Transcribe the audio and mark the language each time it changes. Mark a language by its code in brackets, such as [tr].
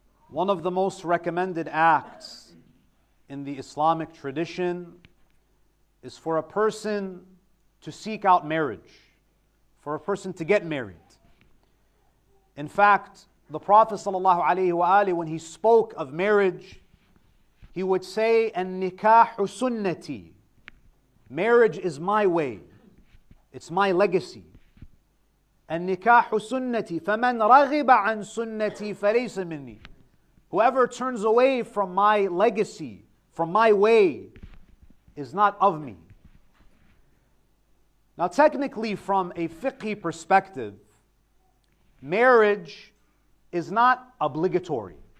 [en] One of the most recommended acts in the Islamic tradition is for a person to seek out marriage, for a person to get married. In fact, the Prophet sallallahu alaihi wa alihi, when he spoke of marriage, he would say, [ar] "An-nikahu sunnati." [en] Marriage is my way. It's my legacy. [ar] النكاح سنتي فمن رغب عن سنتي فليس مني. [en] Whoever turns away from my legacy, from my way, is not of me. Now technically, from a fiqhi perspective, marriage is not obligatory.